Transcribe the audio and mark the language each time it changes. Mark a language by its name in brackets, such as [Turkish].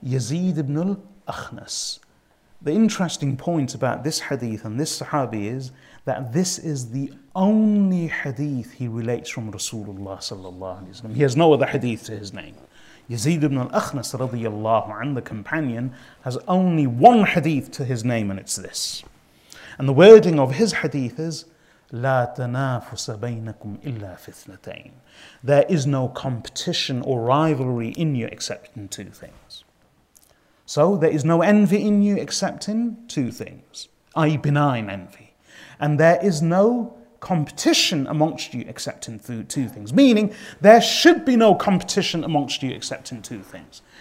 [English] Yazid ibn al-Akhnas. The interesting point about this hadith and this sahabi is that this is the only hadith he relates from Rasulullah sallallahu alayhi wa sallam. He has no other hadith to his name. Yazid ibn al-Akhnas radiyallahu anhu, the companion, has only one hadith to his name, and it's this. And the wording of his hadith is, [Arabic] لا تنافس بينكم إلا في اثنتين. [English] There is no competition or rivalry in you except in two things. So there is no envy in you except in two things, i.e. benign envy. And there is no competition amongst you except in two things. Meaning, there should be no competition amongst you except in two things.